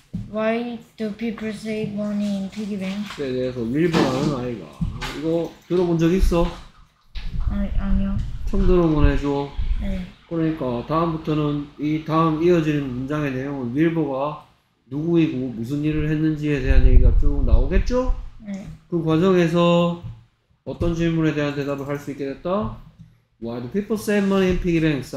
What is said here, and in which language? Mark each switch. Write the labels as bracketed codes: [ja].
[en] Why do people save money in piggy bank? [ko] 대해서 밀보라는 아이가 이거 들어본 적 있어? 아니요. 처음 들어보네, 저. 네. 그러니까 다음부터는 이 다음 이어지는 문장의 내용은 밀보가 누구이고 무슨 일을 했는지에 대한 얘기가 쭉 나오겠죠? 그 과정에서 어떤 질문에 대한 대답을 할수 있게 됐다? [en] Why do people save money in piggy banks?